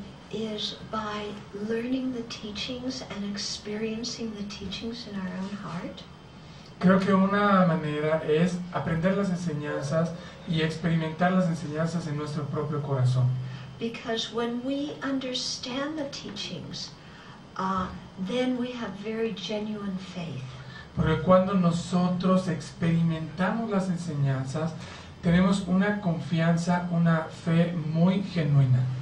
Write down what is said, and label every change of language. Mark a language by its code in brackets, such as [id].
[en] is by learning the teachings and experiencing the teachings in our own heart. [es] Creo que una manera es aprender las enseñanzas y experimentar las enseñanzas en nuestro propio corazón. [en] Because when we understand the teachings, then we have very genuine faith. [es] Porque cuando nosotros experimentamos las enseñanzas, tenemos una confianza, una fe muy genuina.